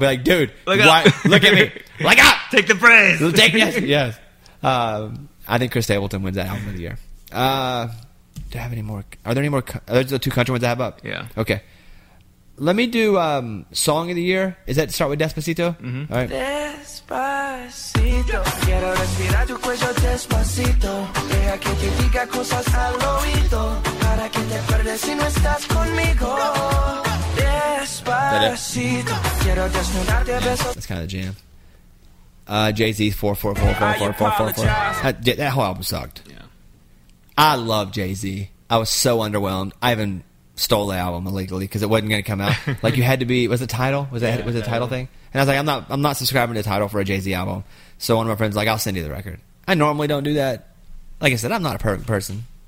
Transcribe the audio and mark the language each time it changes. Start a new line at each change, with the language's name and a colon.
English: Be like, dude, look at me. Look up. Take the praise. Yes. I think Chris Stapleton wins that album of the year. Do I have any more? Are there any more? Are there the two country ones I have up? Yeah. Okay. Let me do Song of the Year. Is that start with Despacito? Mm-hmm. All right. Despacito.
Spanish: Quiero respirar tu cuello despacito. Deja que te diga cosas al oído. Para que te acuerdes si no estás conmigo. Despacito. Quiero desnudarte besos.
English: That's kind of jam. Jay-Z's 4-4-4-4-4-4-4-4. That whole album sucked. Yeah. I love Jay-Z. I was so underwhelmed. I haven't... stole the album illegally because it wasn't going to come out. You had to be. Was it Tidal? Was it Tidal thing? And I was like, I'm not subscribing to Tidal for a Jay-Z album. So one of my friends was like, I'll send you the record. I normally don't do that. Like I said, I'm not a perfect person.